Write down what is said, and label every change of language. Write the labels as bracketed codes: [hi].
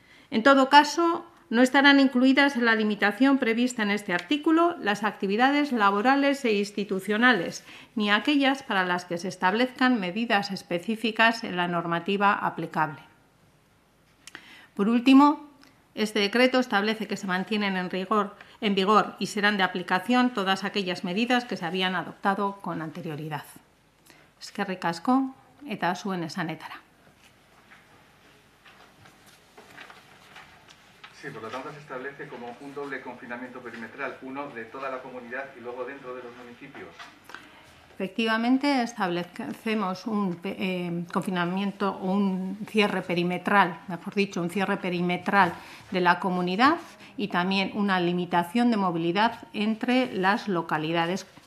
[es] En todo caso, no estarán incluidas en la limitación prevista en este artículo las actividades laborales e institucionales, ni aquellas para las que se establezcan medidas específicas en la normativa aplicable. Por último, este decreto establece que se mantienen en vigor y serán de aplicación todas aquellas medidas que se habían adoptado con anterioridad. [eu] Eskerrik asko eta zuen esanetara. [es] Sí, por lo tanto se establece como un doble confinamiento perimetral, uno de toda la comunidad y luego dentro de los municipios. Efectivamente, establecemos un confinamiento o un cierre perimetral, mejor dicho, un cierre perimetral de la comunidad y también una limitación de movilidad entre las localidades.